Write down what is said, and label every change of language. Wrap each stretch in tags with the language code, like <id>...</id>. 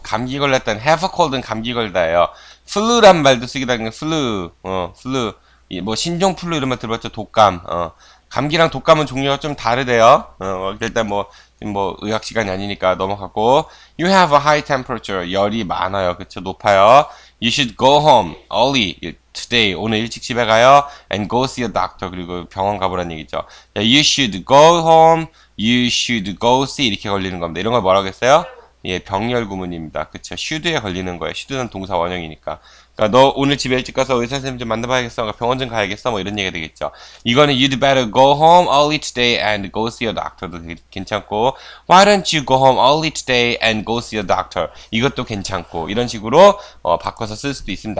<ko>감기 걸렸다는, have a cold은 감기 걸다예요. flu란 말도 쓰기도 하는 flu. 뭐 신종 플루 이런 말 들어봤죠? 독감. 감기랑 독감은 종류가 좀 다르대요. 일단 뭐 의학 시간이 아니니까 넘어가고.</ko> <en>You have a high temperature.</en> <ko>열이 많아요. 그쵸? 높아요.</ko> <en>You should go home early today.</en> <ko>오늘 일찍 집에 가요.</ko> <en>And go see a doctor.</en> <ko>그리고 병원 가보란 얘기죠.</ko> <en>You should go home. You should go see.</en> <ko>이렇게 걸리는 겁니다. 이런 걸 뭐라고 했어요? 예, 병렬 구문입니다. 그쵸? should에 걸리는 거예요. should는 동사 원형이니까. 그러니까 너 오늘 집에 일찍 가서 의사 선생님 좀 만나봐야겠어. 병원 좀 가야겠어. 뭐 이런 얘기가 되겠죠. 이거는</ko> <en>you'd better go home early today and go see your doctor도 괜찮고, why don't you go home early today and go see your doctor?</en> <ko>이것도 괜찮고, 이런 식으로 바꿔서 쓸 수도 있습니다.</ko>